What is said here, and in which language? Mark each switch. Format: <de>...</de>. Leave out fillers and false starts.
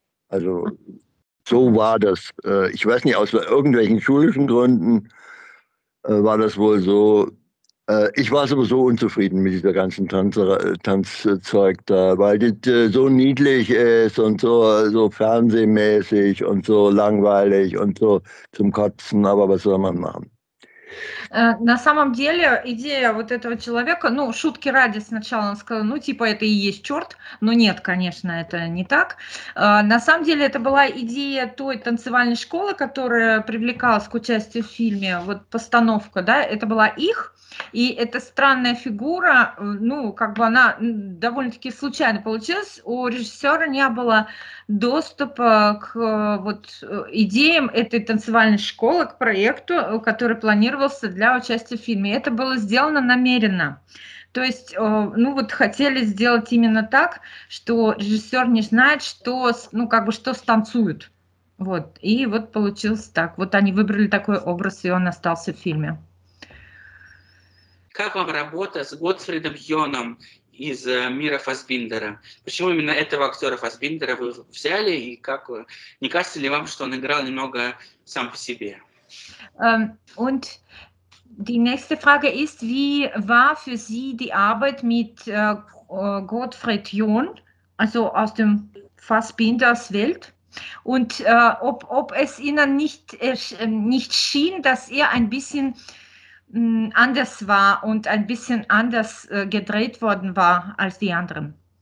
<de>Also so war das. Ich weiß nicht, aus irgendwelchen schulischen Gründen war das wohl so. Ich war sowieso unzufrieden mit dieser ganzen Tanzzeug da, weil das so niedlich ist und so fernsehmäßig und so langweilig und so zum Kotzen, aber was soll man machen?</de> <ru>На самом деле идея вот этого человека, ну, шутки ради сначала он сказал, ну, типа, это и есть черт, но нет, конечно, это не так. На самом деле это была идея той танцевальной школы, которая привлекалась к участию в фильме, вот постановка, да, это была их, и эта странная фигура, ну, как бы она довольно-таки случайно получилась, у режиссера не было доступа к вот идеям этой танцевальной школы, к проекту, который планировался для участия в фильме. Это было сделано намеренно. То есть, ну вот хотели сделать именно так, что режиссер не знает, что, ну как бы, что станцуют. Вот. И вот получилось так. Вот они выбрали такой образ, и он остался в фильме. Как вам работа с Готфридом Йоном из мира Фассбиндера? Почему именно этого актера Фассбиндера вы взяли, и как вы, не кажется ли вам, что он играл немного сам по себе?</ru> <de>Und die nächste Frage ist, wie war für Sie die Arbeit mit Gottfried John, also aus dem Fassbinders Welt? Und ob es Ihnen nicht schien, dass er ein bisschen anders war und ein bisschen anders gedreht worden war als die anderen?</de>